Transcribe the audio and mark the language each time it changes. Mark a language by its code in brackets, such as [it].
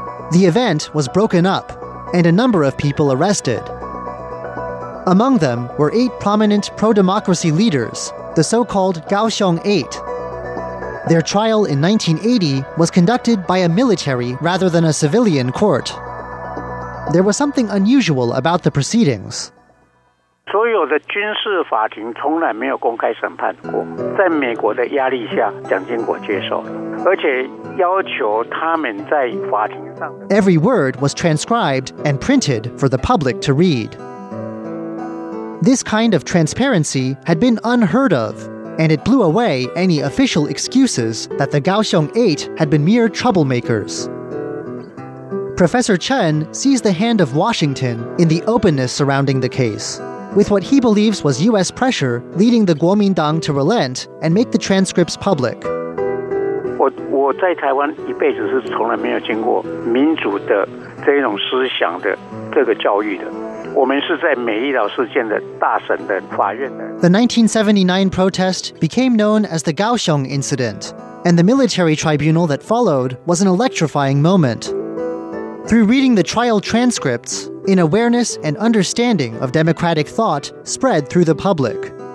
[en] The event was broken up, and a number of people arrested. Among them were eight prominent pro-democracy leaders, the so-called Kaohsiung Eight. Their trial in 1980 was conducted by a military rather than a civilian court. There was something unusual about the proceedings. [zh] 所有的军事法庭从来没有公开审判过，在美国的压力下，蒋经国接受了，而且要求他们在法庭上。 [en] Every word was transcribed and printed for the public to read. This kind of transparency had been unheard of, and it blew away any official excuses that the Kaohsiung Eight had been mere troublemakers. Professor Chen sees the hand of Washington in the openness surrounding the case. With what he believes was U.S. pressure leading the Kuomintang to relent and make the transcripts public. [zh] 我在台湾一辈子是从来没有经过民主的这种思想的这个教育的。我们是在美丽岛事件的大审的法院的。 [en] The 1979 protest became known as the Kaohsiung Incident, and the military tribunal that followed was an electrifying moment. Through reading the trial transcripts, an awareness and understanding of democratic thought spread through the public.